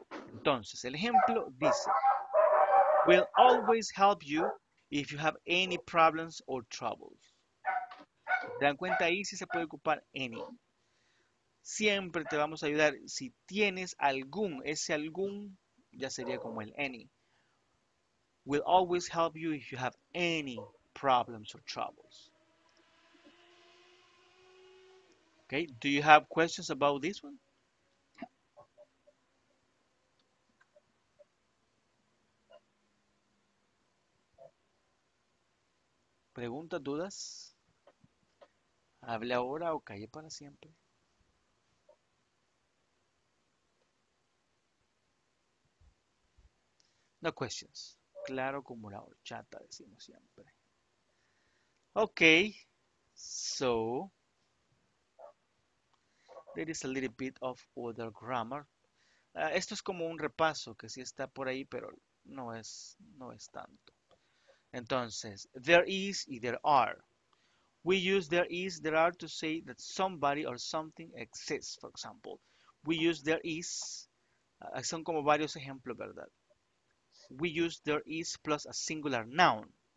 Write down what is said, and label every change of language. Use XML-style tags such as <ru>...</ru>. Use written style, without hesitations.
<es>Entonces, el ejemplo dice,</es> <en>will always help you if you have any problems or troubles.</en> <es>¿Te dan cuenta ahí? Sí se puede ocupar any. Siempre te vamos a ayudar si tienes algún, ese algún, ya sería como el any.</es> <en>Will always help you if you have any problems or troubles. Okay, do you have questions about this one?</en> <es>¿Preguntas, dudas? ¿Hable ahora o calle para siempre?</es> <en>No questions.</en> <es>Claro como la horchata, decimos siempre.</es> <en>Okay, so there is a little bit of other grammar.</en> <es>Esto es como un repaso que sí está por ahí, pero no es tanto.</es> <en>Entonces, there is y there are. We use there is, there are to say that somebody or something exists, for example. We use there is.</en> <es>Son como varios ejemplos, ¿verdad?</es> <en>We use there is plus a singular noun.</en>